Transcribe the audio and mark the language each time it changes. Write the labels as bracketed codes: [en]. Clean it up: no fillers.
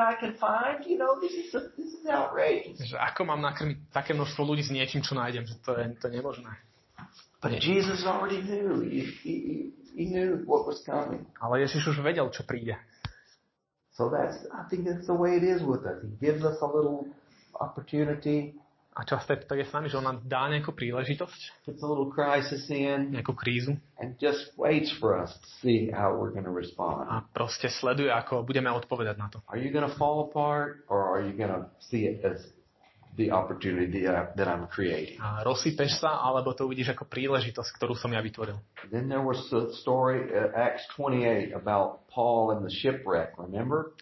[sk] Že ako mám nakrmiť také množstvo ľudí s niečím, čo nájdem, že to je nemožné. [en] But Jesus already knew. He knew what was coming. [sk] Ale Ježiš už vedel, čo príde. [en] So that's, I think that's the way it is with us. He gives us a little opportunity. [sk] A často to je s nami, že on nám dá nejakú príležitosť. [en] Puts a little crisis in. [sk] Nejakú krízu. [en] And just waits for us to see how we're going to respond. [sk] A proste sleduje, ako budeme odpovedať na to. [en] Are you going to fall apart or are you going to see it as the opportunity that I'm creating? [sk] A rozsypeš sa, alebo to uvidíš ako príležitosť, ktorú som ja vytvoril. [en] Then there was the story Acts 28 about Paul and the shipwreck, remember?